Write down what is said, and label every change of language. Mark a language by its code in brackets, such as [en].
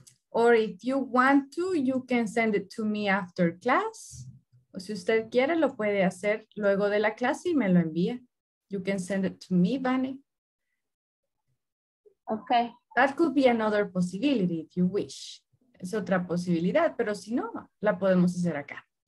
[en] Or if you want to, you can send it to me after class. [es] O si usted quiere, lo puede hacer luego de la clase y me lo envía. [en] You can send it to me, Vani. Okay. That could be another possibility if you wish. [es] Es otra posibilidad, pero si no, la podemos hacer acá.